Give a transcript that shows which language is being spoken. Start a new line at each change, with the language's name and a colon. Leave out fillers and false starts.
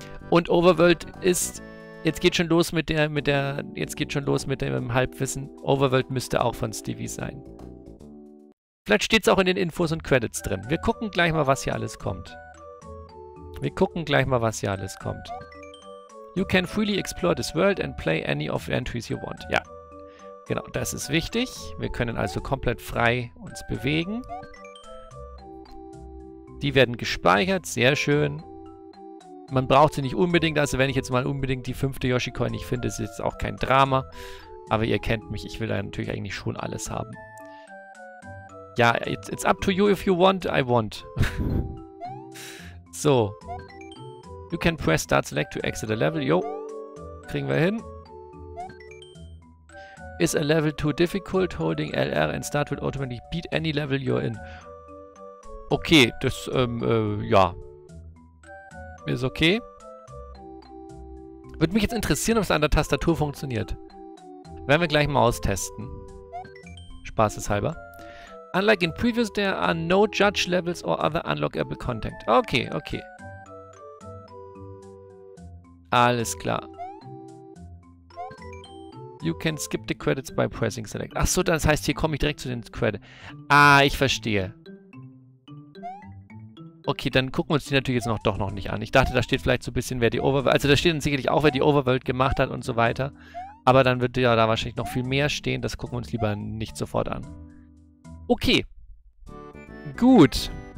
German: Und Overworld ist. Jetzt geht schon los mit der. Jetzt geht schon los mit dem Halbwissen. Overworld müsste auch von Stevie sein. Vielleicht steht es auch in den Infos und Credits drin. Wir gucken gleich mal, was hier alles kommt. Wir gucken gleich mal, was hier alles kommt.
English: You can freely explore this world and play any of the entries you want.
German: Ja, genau, das ist wichtig. Wir können also komplett frei uns bewegen. Die werden gespeichert, sehr schön. Man braucht sie nicht unbedingt, also wenn ich jetzt mal unbedingt die fünfte Yoshi-Coin nicht finde, ist jetzt auch kein Drama. Aber ihr kennt mich, ich will da natürlich eigentlich schon alles haben.
English: Ja, it's up to you if you want, I want. So. You can press Start Select to exit a level.
German: Jo. Kriegen wir hin.
English: Is a level too difficult? Holding LR and Start will automatically beat any level you're in.
German: Okay, das, ja. Ist okay. Würde mich jetzt interessieren, ob es an der Tastatur funktioniert. Werden wir gleich mal austesten. Spaßeshalber.
English: Unlike in previous, there are no judge levels or other unlockable content. Okay.
German: Alles klar.
English: You can skip the credits by pressing select.
German: Ach so, das heißt, hier komme ich direkt zu den Credits. Ah, ich verstehe. Okay, dann gucken wir uns die natürlich jetzt doch noch nicht an. Ich dachte, da steht vielleicht so ein bisschen, wer die Overworld. Also, da steht dann sicherlich auch, wer die Overworld gemacht hat und so weiter. Aber dann wird ja da wahrscheinlich noch viel mehr stehen. Das gucken wir uns lieber nicht sofort an. Okay. Gut.